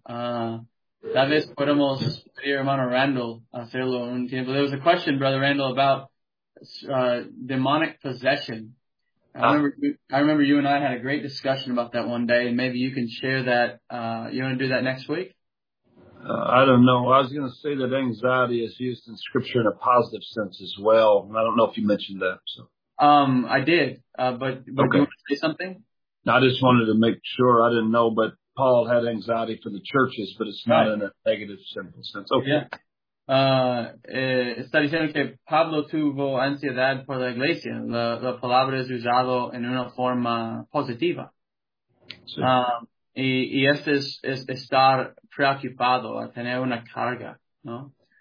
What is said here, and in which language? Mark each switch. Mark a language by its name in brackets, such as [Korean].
[Spanish] Tal vez podemos pedir a hermano Randall hacerlo un tiempo. [English] There was a question, brother Randall, about demonic possession. I remember you and I had a great discussion about that one day, and maybe you can share that. You want to do that next week? I don't know. I was going to say that anxiety is used in scripture in a positive sense as well. I don't know if you mentioned that. So. I did. But okay. Do you want to say something? No, I just wanted to make sure. I didn't know, but Paul had anxiety for the churches, but it's not in a negative, simple sense. Okay. Yeah. [Spanish] Está diciendo que Pablo tuvo ansiedad por la iglesia. La palabra es usado en una forma positiva. Sí. Y este es estar preocupado, a tener una carga, ¿no?